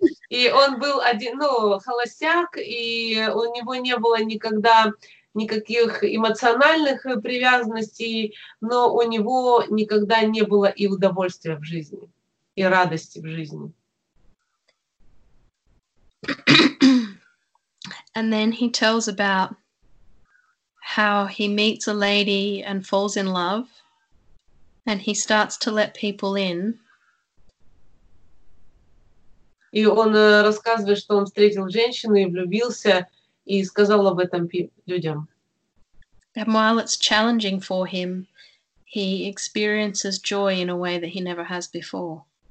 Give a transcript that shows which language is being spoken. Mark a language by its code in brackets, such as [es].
[ru] И он был один, ну, холостяк, и у него не было никогда никаких эмоциональных привязанностей, но у него никогда не было и удовольствия в жизни, и радости в жизни. [en] And then he tells about how he meets a lady and falls in love. And he starts to let people in. [ru] И он рассказывает, что он встретил женщину и влюбился и сказал об этом людям. [en] And while it's challenging for him, he experiences joy in a way that he never has before.